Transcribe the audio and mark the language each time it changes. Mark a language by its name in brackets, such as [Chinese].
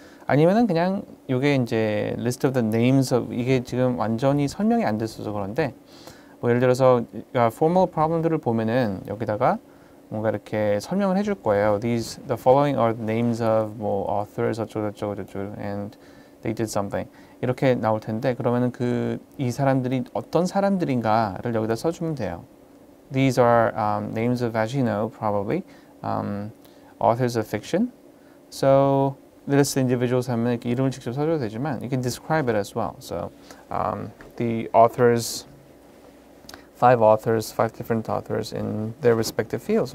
[Korean] 아니면은 그냥 이게 이제 [English] list of the names of [Korean] 이게 지금 완전히 설명이 안 됐어서 그런데 뭐 예를 들어서 formal problem들을 보면은 여기다가 뭔가 이렇게 설명을 해줄 거예요. [English] These the following are the names of 뭐 authors [Korean] 어쩌고저쩌고저쩌고 [English] and they did something. [Korean] 이렇게 나올 텐데 그러면은 그 이 사람들이 어떤 사람들인가를 여기다 써주면 돼요. [English] These are names of, as you know, probably authors of fiction. So, list individuals [Korean] 하면 이름을 직접 써줘도 되지만, [English] you can describe it as well. So, the authors, five different authors in their respective fields.